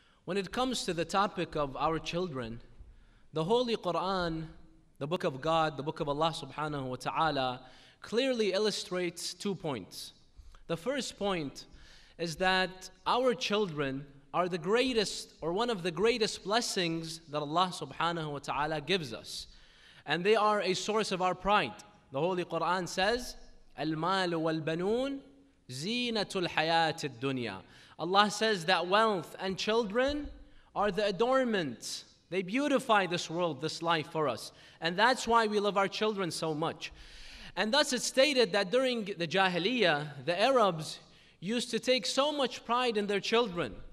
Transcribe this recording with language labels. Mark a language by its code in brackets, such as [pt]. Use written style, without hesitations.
[en] When it comes to the topic of our children, the Holy Quran, the Book of God, the Book of Allah subhanahu wa ta'ala, clearly illustrates two points. The first point is that our children are the greatest, or one of the greatest blessings that Allah subhanahu wa ta'ala gives us. And they are a source of our pride. The Holy Quran says, [ar] المال والبنون زينة الحياة الدنيا. [en] Allah says that wealth and children are the adornment. They beautify this world, this life for us. And that's why we love our children so much. And thus it's stated that during the Jahiliyyah, the Arabs used to take so much pride in their children.